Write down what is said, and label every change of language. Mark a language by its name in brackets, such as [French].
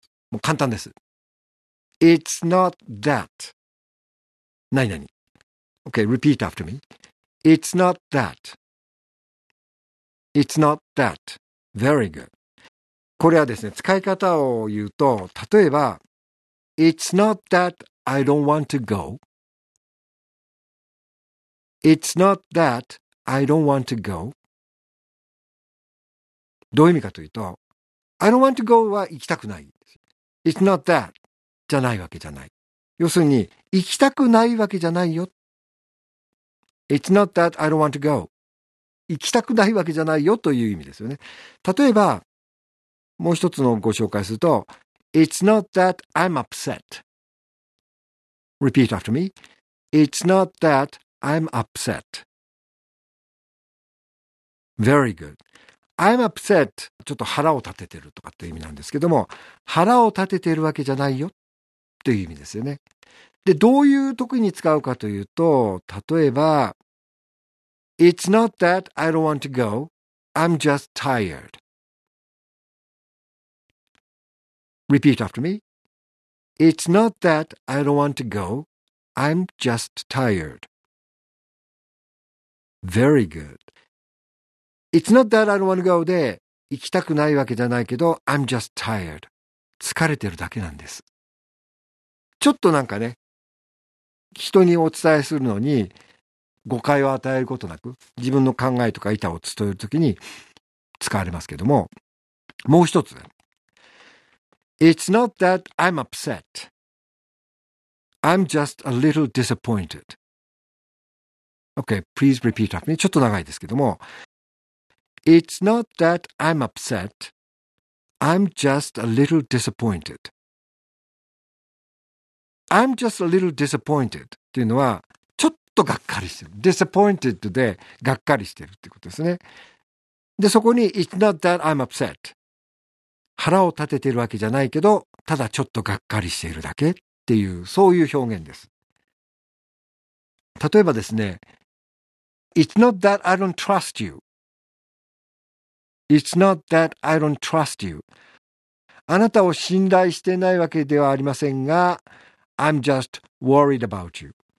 [Japanese] もう簡単です。 [English] It's not that. [Japanese] 何々。 [English] Okay, repeat after me. It's not that. It's not that. Very good. [Japanese] これはですね、使い方を言うと、例えば、 [English] It's not that I don't want to go. It's not that I don't want to go. [Japanese] どういう意味かというと、 [English] I don't want to go [Japanese] は行きたくない。 [English] It's not that [Japanese] じゃないわけじゃない。要するに、行きたくないわけじゃないよ。 [English] It's not that I don't want to go. [Japanese] 行きたくないわけじゃないよという意味ですよね。例えば、もう一つのご紹介すると、 [English] It's not that I'm upset. Repeat after me. It's not that I'm upset. Very good. I'm upset. [Japanese] ちょっと腹を立ててるとかっていう意味なんですけども、腹を立ててるわけじゃないよっていう意味ですよね。で、どういう時に使うかというと、例えば、 [English] It's not that I don't want to go. I'm just tired. Repeat after me. It's not that I don't want to go. I'm just tired. Very good. It's not that I don't want to go で、 [Japanese] 行きたくないわけじゃないけど、 [English] I'm just tired. [Japanese] 疲れてるだけなんです。ちょっとなんかね、人にお伝えするのに誤解を与えることなく、自分の考えとか板を伝えるときに使われますけども、もう一つ。 [English] It's not that I'm upset. I'm just a little disappointed. Okay, please repeat after me. [Japanese] ちょっと長いですけども。 [English] It's not that I'm upset. I'm just a little disappointed. I'm just a little disappointed. [Japanese] っていうのは、ちょっとがっかりしてる。Disappointed で、がっかりしてるってことですね。で、そこに、 [English] It's not that I'm upset. [Japanese] 腹を立ててるわけじゃないけど、ただちょっとがっかりしているだけっていう、そういう表現です。例えばですね、 [English] It's not that I don't trust you. It's not that I don't trust you. [Japanese] あなたを信頼してないわけではありませんが、 [English] I'm just worried about you.